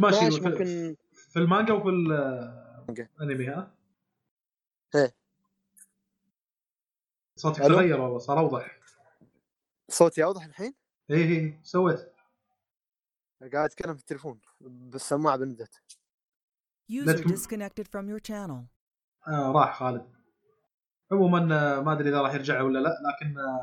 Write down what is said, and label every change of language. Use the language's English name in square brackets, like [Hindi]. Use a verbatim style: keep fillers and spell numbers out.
[Arabic] ماشي ممكن في المانجا وفي الانمي. ها ايه صوتك تغير والله، صار اوضح. صوتي اوضح الحين؟ ايه ايه سويت قاعد اتكلم في التليفون بالسماعه بندت. [English] User disconnected from your channel. [Arabic] آه راح خالد. عموما ما ادري اذا راح يرجع ولا لا، لكن